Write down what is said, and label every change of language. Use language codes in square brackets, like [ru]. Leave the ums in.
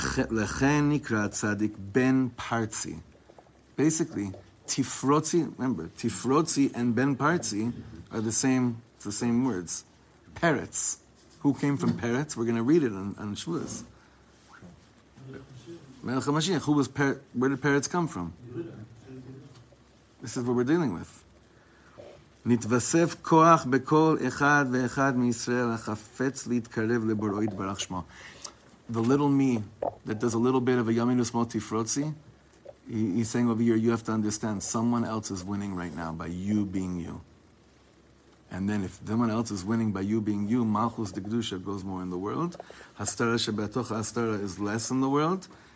[he] לכן נקרא צדיק בן פרצי. [en] Basically, tifrotzi, remember, tifrotzi and ben parzi are the same, it's the same words. Parrots. Who came from parrots? We're going to read it on, on Shavuos. Melech HaMashiach, who was per- where did parrots come from? This is what we're dealing with. [he] נתווסף כוח בכל אחד ואחד מישראל החפץ להתקרב לבוראו יתברך שמו. [en] The little me that does a little bit of a [he] yamin usmo tifrotzi, [en] he, he's saying over here, you have to understand, someone else is winning right now by you being you. And then if someone else is winning by you being you, Malchus de Kedusha goes more in the world. Hastara Shebetoch Hastara is less in the world.